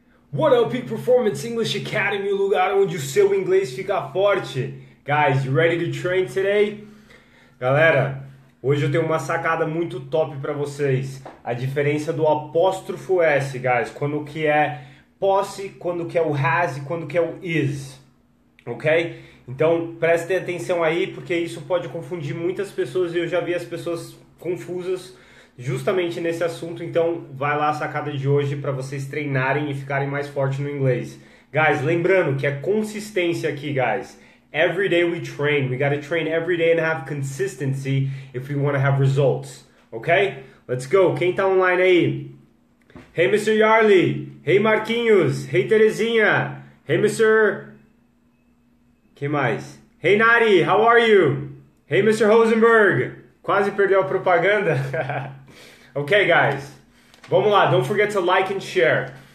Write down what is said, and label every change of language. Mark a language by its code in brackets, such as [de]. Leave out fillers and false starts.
[en] What up, [pt] Peak Performance English Academy, o lugar onde o seu inglês fica forte. [en] Guys, you ready to train today? [pt] Galera, hoje eu tenho uma sacada muito top para vocês. A diferença do apóstrofo S, guys. Quando que é posse, quando que é o has e quando que é o is. Ok? Então, prestem atenção aí, porque isso pode confundir muitas pessoas e eu já vi as pessoas confusas justamente nesse assunto. Então vai lá a sacada de hoje para vocês treinarem e ficarem mais fortes no inglês. Guys, lembrando que é consistência aqui, guys. [en] Every day we train. We gotta train every day and have consistency if we wanna have results. Ok? Let's go. [pt] Quem tá online aí? [en] Hey, Mr. Yarley. Hey, Marquinhos. Hey, Terezinha. Hey, Mr. [pt] Que mais? [en] Hey, Nari. How are you? Hey, Mr. Rosenberg. [pt] Quase perdeu a propaganda. [en] Ok, guys, [pt] vamos lá, [en] don't forget to like and share.